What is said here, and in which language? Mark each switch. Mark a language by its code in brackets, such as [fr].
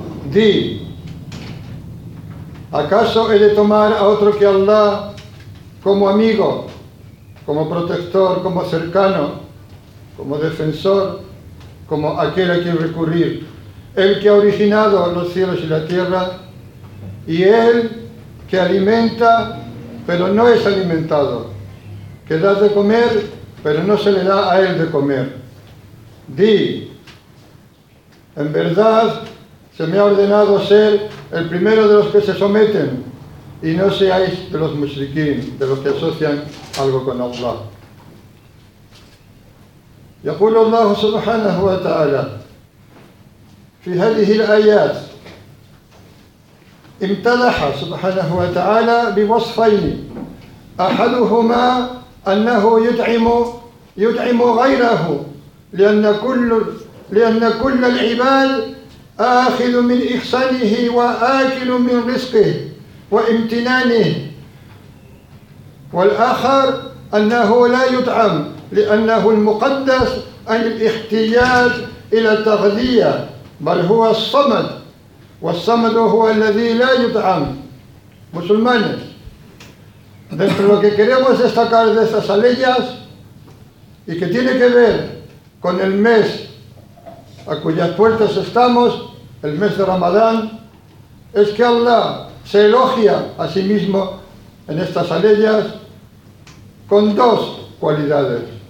[es] Di, ¿acaso he de tomar a otro que Allah como amigo, como protector, como cercano, como defensor, como aquel a quien recurrir, el que ha originado los cielos y la tierra, y él que alimenta, pero no es alimentado, que da de comer, pero no se le da a él de comer? Di, en verdad, se me ha ordenado ser el primero de los que se someten, y no seáis de los mushrikín, de los que asocian algo con Allah. [ar] يقول الله سبحانه وتعالى في هذه الآيات: امتدح سبحانه وتعالى بوصفين، أحدهما أنه يطعم غيره، لأن كل العباد آخذ من إحسانه وآكل من رزقه وامتنانه، والآخر أنه لا يطعم لأنه المقدس عن الاحتياج إلى التغذية، بل هو الصمد، والصمد هو الذي لا يطعم. [es] مسلمانes, dentro de lo que queremos destacar de estas aleyas y que tiene que ver con el mes a cuyas puertas estamos, el mes de Ramadán, es que Allah se elogia a sí mismo en estas aleyas con dos cualidades.